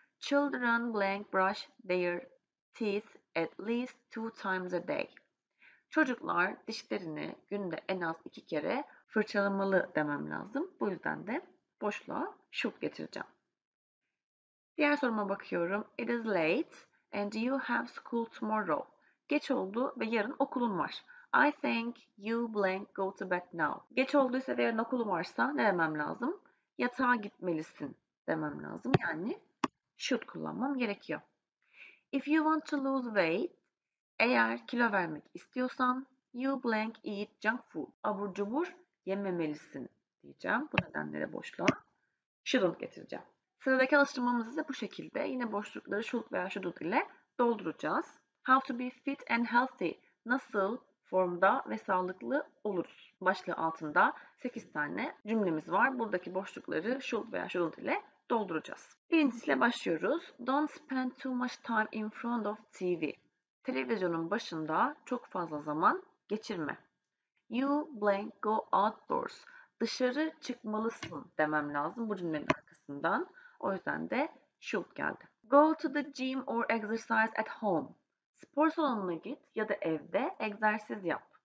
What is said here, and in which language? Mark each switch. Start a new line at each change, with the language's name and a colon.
English: Children blank brush their teeth at least 2 times a day.
Turkish: Çocuklar dişlerini günde en az 2 kere fırçalamalı demem lazım. Bu yüzden de boşluğa should getireceğim. Diğer soruma bakıyorum.
English: It is late. And you have school tomorrow.
Turkish: Geç oldu ve yarın okulun var.
English: I think you blank go to bed now.
Turkish: Geç olduysa ve yarın okulun varsa ne demem lazım? Yatağa gitmelisin demem lazım. Yani should kullanmam gerekiyor.
English: If you want to lose weight,
Turkish: eğer kilo vermek istiyorsan,
English: you blank eat junk food.
Turkish: Abur cubur yememelisin diyeceğim. Bu nedenle de boşluğa shouldn't getireceğim. Sıradaki alıştırmamızı da bu şekilde. Yine boşlukları should veya should ile dolduracağız.
English: How to be fit and healthy.
Turkish: Nasıl formda ve sağlıklı oluruz? Başlığı altında 8 tane cümlemiz var. Buradaki boşlukları should veya should ile dolduracağız. Birincisiyle başlıyoruz.
English: Don't spend too much time in front of TV.
Turkish: Televizyonun başında çok fazla zaman geçirme.
English: You blank go outdoors.
Turkish: Dışarı çıkmalısın demem lazım bu cümlenin arkasından. O yüzden de should geldi.
English: Go to the gym or exercise at home.
Turkish: Spor salonuna git ya da evde egzersiz yap.